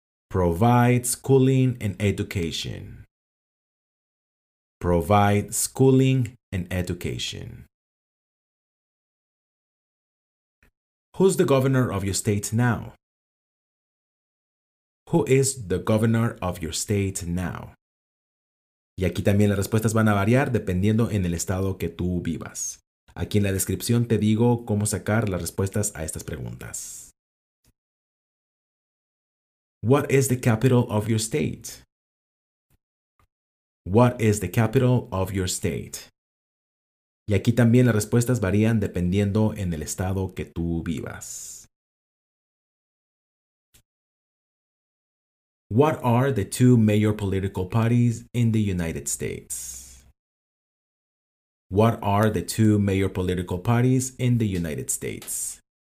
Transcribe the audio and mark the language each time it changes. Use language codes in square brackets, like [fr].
[en] Provide schooling and education. Provide schooling and education. Who's the governor of your state now? Who is the governor of your state now? [es] Y aquí también las respuestas van a variar dependiendo en el estado que tú vivas. Aquí en la descripción te digo cómo sacar las respuestas a estas preguntas. [en] What is the capital of your state? What is the capital of your state? [es] Y aquí también las respuestas varían dependiendo en el estado que tú vivas. [en] What are the two major political parties in the United States? What are the two major political parties in the United States?